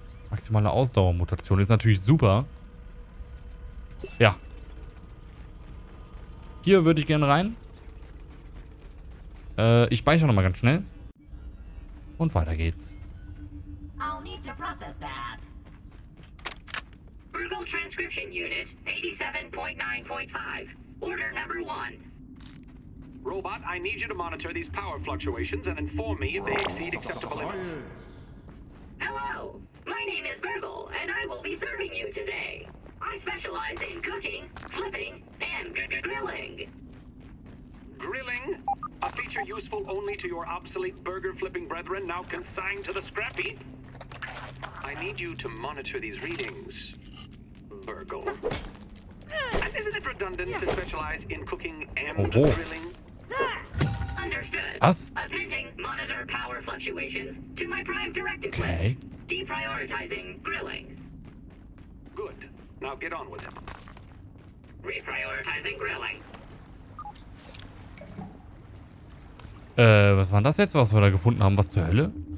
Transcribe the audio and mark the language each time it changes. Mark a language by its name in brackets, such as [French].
[German] Maximale Ausdauermutation ist natürlich super. Ja. Hier würde ich gerne rein. Ich speichere nochmal ganz schnell. Und weiter geht's. [English] I'll need to process that. Verbal Transcription Unit 87.9.5. Order number one. Robot, I need you to monitor these power fluctuations and inform me if they exceed acceptable limits. Hello, my name is Burgle, and I will be serving you today. I specialize in cooking, flipping, and grilling. Grilling? A feature useful only to your obsolete burger-flipping brethren now consigned to the scrap heap? I need you to monitor these readings, Burgle. And isn't it redundant to specialize in cooking and grilling? Understood. [German] Was? [English] Appending monitor power fluctuations to my prime directive quest. Deprioritizing grilling. Good. Now get on with it. Reprioritizing grilling. [German] Was war das jetzt, was wir da gefunden haben? Was zur Hölle?